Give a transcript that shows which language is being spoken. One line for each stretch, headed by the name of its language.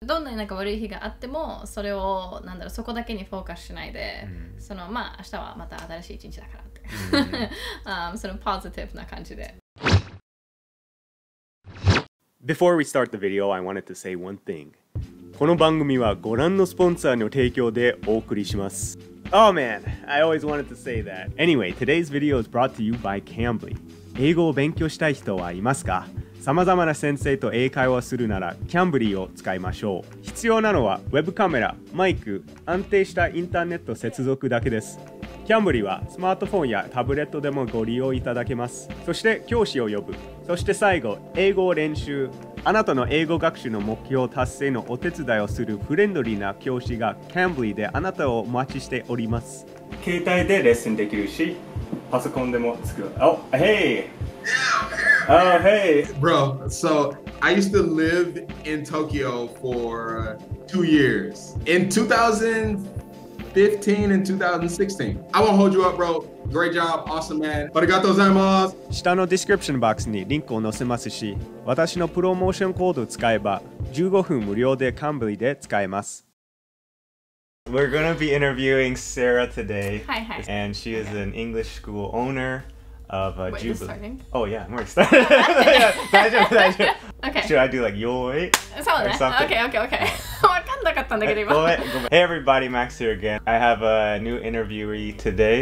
Japanese: どんなになんか悪い日があってもそれをなんだろうそこだけにフォーカスしないで、うん、そのまあ明日はまた新しい一日だからって、うん、そのポジティブな感じで。
English: Before we start the video, I wanted to say one thing.
Japanese: この番組はご覧のスポンサーの提供でお送りします。
English: Oh man, I always wanted to say that. Anyway, today's video is brought to you by Cambly.
Japanese: 英語を勉強したい人はいますか？さまざまな先生と英会話するなら Cambly を使いましょう。必要なのはウェブカメラ、マイク、安定したインターネット接続だけです。 Cambly はスマートフォンやタブレットでもご利用いただけます。そして教師を呼ぶ。そして最後、英語を練習。あなたの英語学習の目標達成のお手伝いをするフレンドリーな教師が Cambly であなたをお待ちしております。携帯でレッスンできるし、パソコンでも作る。
English: Oh, hey! Yeah! Oh, hey! Bro, so I used to live in Tokyo for 2 years. In 2015 and 2016. I won't hold you up, bro. Great job. Awesome, man.
Japanese: ありがとうございます。下のディスクリプションボックスにリンクを載せますし、私のプロモーションコードを使えば15分無料でCambly で使えます。
English: We're going to be interviewing Sarah today. Hi, hi. And she is an English school owner of Wait, Jubilee. Wait, we're starting? Oh, yeah, we're starting.
Japanese: 大丈夫、大丈夫。
English: Okay. Should I do like, yoi?
Japanese: そうね。
English: Okay, okay, okay. Hey everybody, Max here again. I have a new interviewee today.